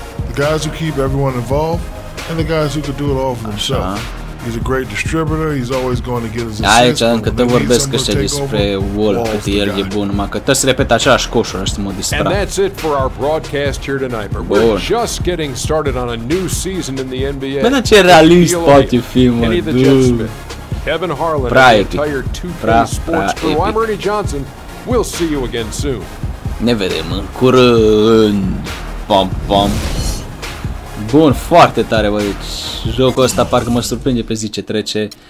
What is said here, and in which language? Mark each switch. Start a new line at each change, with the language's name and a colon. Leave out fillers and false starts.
English: The guys who keep everyone involved and the guys who could do it all for themselves. He's a great distributor, he's always going to get his assists.
Romanian: Aici încă te vorbesc ăștia despre Wall, cât el e bun, numai că tot se repetă același coșul, ăștia mă distrag.
English: And that's it for our broadcast here tonight, but we're just getting started on a new season in the NBA.
Romanian: Bă, dar ce realist poate fi, mă, dude.
English: Kevin Harlan, the entire 2K Sports Crew. I'm Ernie Johnson, we'll see you again soon.
Romanian: Ne vedem în curând. Pam, pam. Bun, foarte tare, bă, jocul ăsta parcă mă surprinde pe zi ce trece.